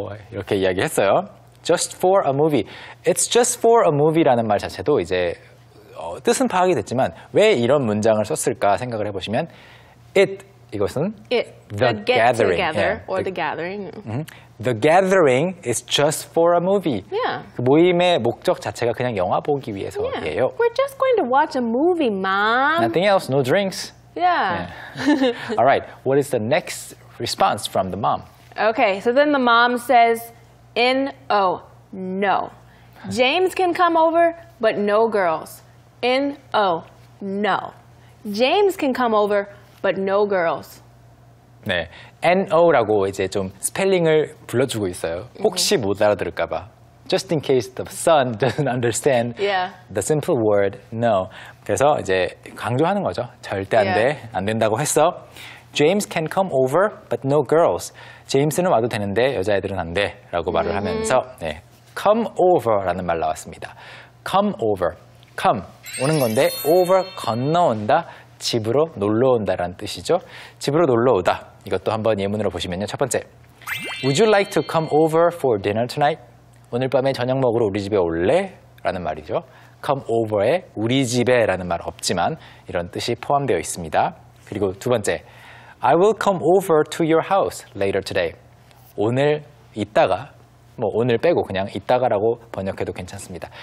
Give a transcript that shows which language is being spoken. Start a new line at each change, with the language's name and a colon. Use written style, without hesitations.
Korean: 이렇게 이야기했어요.
English: Just for a movie.
Korean: It's just for a movie라는 말 자체도 이제 뜻은 파악이 됐지만 왜 이런 문장을 썼을까 생각을 해보시면 it 이것은
English: it, the get gathering. Together yeah, or the gathering. Mm-hmm. The gathering is just for a movie. Yeah.
Korean: 그 모임의 목적 자체가 그냥 영화 보기 위해서예요. Yeah.
English: We're just going to watch a movie, Mom. Nothing else, no drinks. Yeah. yeah. All right, what is the next response from the mom? Okay, so then the mom says, N-O, no. James can come over, but no girls. N-O, no. James can come over, but no girls.
Korean: 네. NO라고 이제 좀 스펠링을 불러주고 있어요. 혹시 못 알아들을까 봐.
English: Just in case the son doesn't understand yeah. the simple word no.
Korean: 그래서 이제 강조하는 거죠. 절대 안 돼.
English: Yeah.
Korean: 안 된다고 했어.
English: James can come over but no girls.
Korean: 제임스는 와도 되는데 여자애들은 안 돼라고 말을 mm-hmm. 하면서 네. come over라는 말 나왔습니다. come over. come 오는 건데 over 건너온다. 집으로 놀러 온다라는 뜻이죠. 집으로 놀러 오다. 이것도 한번 예문으로 보시면요. 첫 번째,
English: Would you like to come over for dinner tonight?
Korean: 오늘 밤에 저녁 먹으러 우리 집에 올래? 라는 말이죠. Come over에 우리 집에 라는 말 없지만 이런 뜻이 포함되어 있습니다. 그리고 두 번째,
English: I will come over to your house later today.
Korean: 오늘 이따가, 뭐 오늘 빼고 그냥 이따가라고 번역해도 괜찮습니다.